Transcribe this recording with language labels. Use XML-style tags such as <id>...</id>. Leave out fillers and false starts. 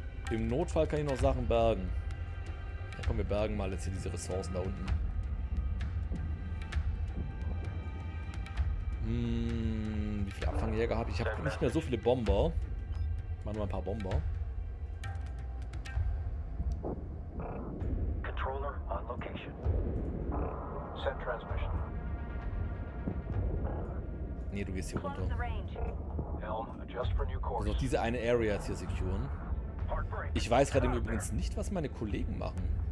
<de>Im Notfall kann ich noch Sachen bergen. Ja, komm, wir bergen mal jetzt hier diese Ressourcen da unten. Wie viele Abfangjäger habe ich? Ich habe nicht mehr so viele Bomber. Ich mache nur ein paar Bomber.</de> <en>Controller on location. Send transmission.</en> <de>Nee, du gehst hier runter. Also diese eine Area ist hier secure. Ich weiß gerade übrigens nicht, was meine Kollegen machen.</de>